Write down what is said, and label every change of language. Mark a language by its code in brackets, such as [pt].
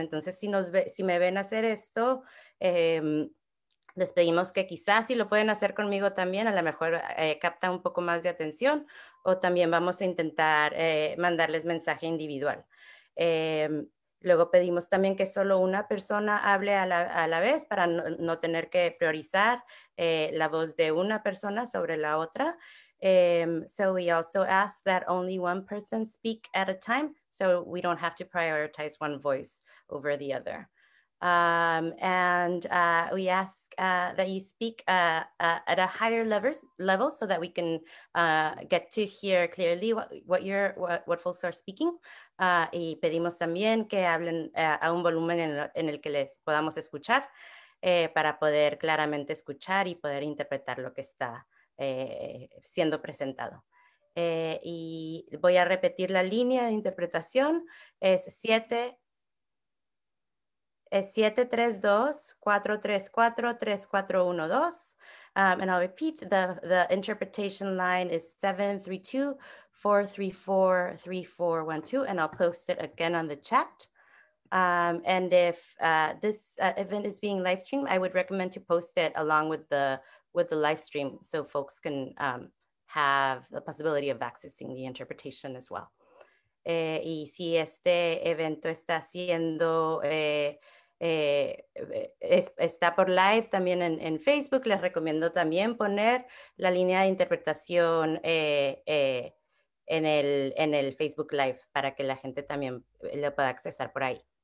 [es] Entonces, si me ven hacer esto, les pedimos que quizás si lo pueden hacer conmigo también, a lo mejor capta un poco más de atención, o también vamos a intentar mandarles mensaje individual. Luego pedimos también que solo una persona hable a la vez para no tener que priorizar la voz de una persona sobre la otra. [en] So we also ask that only one person speak at a time, so we don't have to prioritize one voice over the other. We ask that you speak at a higher level so that we can get to hear clearly what folks are speaking. [es] Y pedimos también que hablen a un volumen en el que les podamos escuchar para poder claramente escuchar y poder interpretar lo que está siendo presentado. Y voy a repetir la línea de interpretación. Es 732-434-3412. [en] And I'll repeat, the interpretation line is 732-434-3412, and I'll post it again on the chat. And if this event is being live streamed, I would recommend to post it along with the live stream so folks can have the possibility of accessing the interpretation as well. [es] Y si este evento está siendo está por live también en Facebook, les recomiendo también poner la línea de interpretación en el Facebook Live para que la gente también lo pueda accesar por ahí.